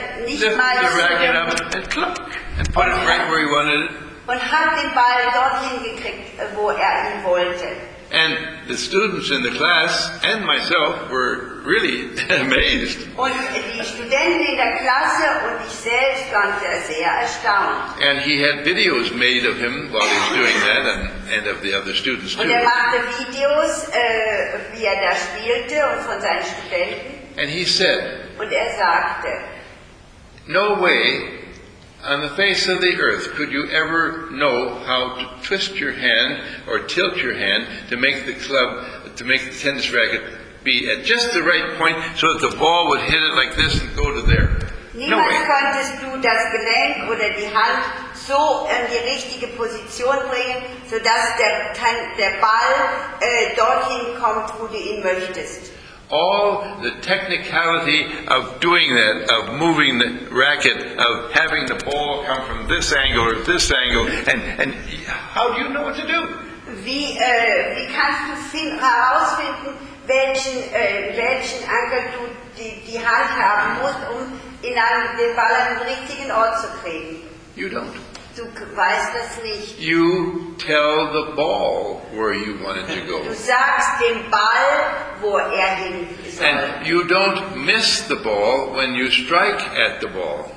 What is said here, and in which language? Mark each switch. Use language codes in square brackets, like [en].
[en] the racket up and cluck and put it right where he wanted it. [de] Und hat den Ball dorthin gekriegt, wo ihn wollte. [en] And the students in the class and myself were really amazed. [de] Und die Studenten in der Klasse und ich selbst waren sehr, sehr erstaunt. [en] And he had videos made of him while he was doing that and of the other students too. [de] Und machte Videos, wie da spielte und von seinen Studenten. [en] And he said, [de] und sagte, [en] no way on the face of the earth could you ever know how to twist your hand or tilt your hand to make the club, to make the tennis racket be at just the right point so that the ball would hit it like this and go to there. [de] Niemals konntest du das Gelenk oder die Hand so in die richtige Position bringen, sodass der Ball dorthin kommt, wo du ihn möchtest. [en] All the technicality of doing that, of moving the racket, of having the ball come from this angle or this angle, and how do you know what to do? [de] Wie kannst du herausfinden, welchen Angle du die Hand haben musst, um den Ball an den richtigen Ort zu kriegen? [en] You don't. [de] Du weißt das nicht. [en] You tell the ball where you want it to go. [de] Du sagst dem Ball, wo hin soll. [en] And you don't miss the ball when you strike at the ball.